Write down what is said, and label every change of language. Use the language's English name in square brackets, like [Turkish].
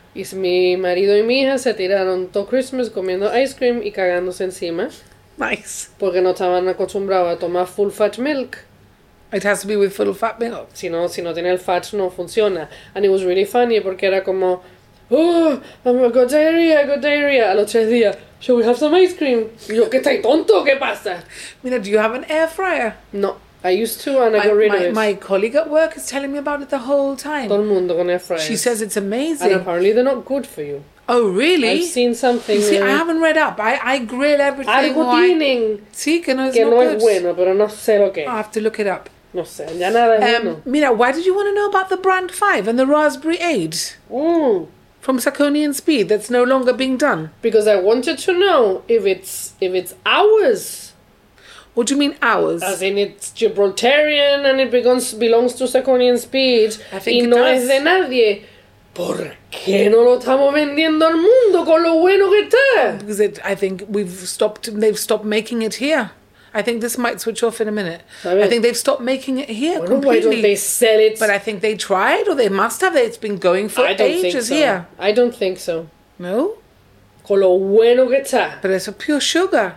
[Spanish] Y mi marido y mi hija se tiraron todo Christmas comiendo ice cream y cagándose encima. [English] Nice. [Spanish] Porque no estaban acostumbrados a tomar full fat milk. [English] It has to be with full fat milk. [Spanish] Si no tiene el fat, no funciona. [English] And it was really funny [Spanish] porque era como, [English] oh, I got diarrhea. [Spanish] A los tres días, [English] shall we have some ice cream? [Spanish] Y yo, ¿qué estáis tonto? ¿Qué pasa? [English] Mira, do you have an air fryer? No. I used to and I got rid of it. My colleague at work is telling me about it the whole time. [Spanish] Todo el mundo con air fryers. [English] She says it's amazing. And apparently they're not good for you. Oh, really? I've seen something. You see, I haven't read up. I grill everything. [Spanish] Algo tienen. Sí, que no es que [English] not [Spanish] no [English] good. [Spanish] Es bueno, pero no sé lo que. [English] I'll have to look it up. [Spanish] No sé, ya nada es bueno. [English] Mira, why did you want to know about the Brand 5 and the Raspberry 8? From Saucony and Speed that's no longer being done? Because I wanted to know if it's ours. What do you mean, ours? As in, it's Gibraltarian and it belongs to Saucony and Speed. I think [Spanish] y [English] it [Spanish] no [English] does. [Spanish] Es de nadie. ¿Por qué no lo estamos vendiendo al mundo con lo bueno que está? [English] Because they've stopped making it here. I think this might switch off in a minute. [Spanish] ¿Sabe? [English] I think they've stopped making it here [Spanish] bueno, [English] completely. Why don't they sell it? But I think they tried, or they must have. It's been going for ages so. Here. I don't think so. [Spanish] No? Con lo bueno que está. [English] But it's a pure sugar.